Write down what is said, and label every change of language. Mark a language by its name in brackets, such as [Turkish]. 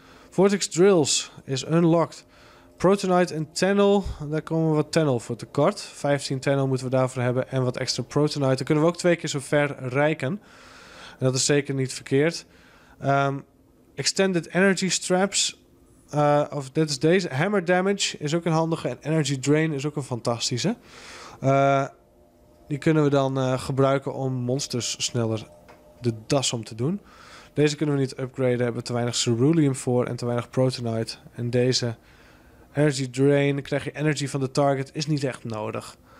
[English] Vortex Drills is unlocked. [Dutch] Protonite en Tunnel, daar komen we wat Tunnel voor tekort. 15 Tunnel moeten we daarvoor hebben en wat extra Protonite. Dan kunnen we ook twee keer zo ver reiken. En dat is zeker niet verkeerd. Extended Energy Straps. Of dit is deze. Hammer Damage is ook een handige. En Energy Drain is ook een fantastische. Die kunnen we dan gebruiken om monsters sneller de das om te doen. Deze kunnen we niet upgraden. Hebben we te weinig Ceruleum voor en te weinig Protonite. En deze Energy Drain, krijg je energy van de target, is niet echt nodig.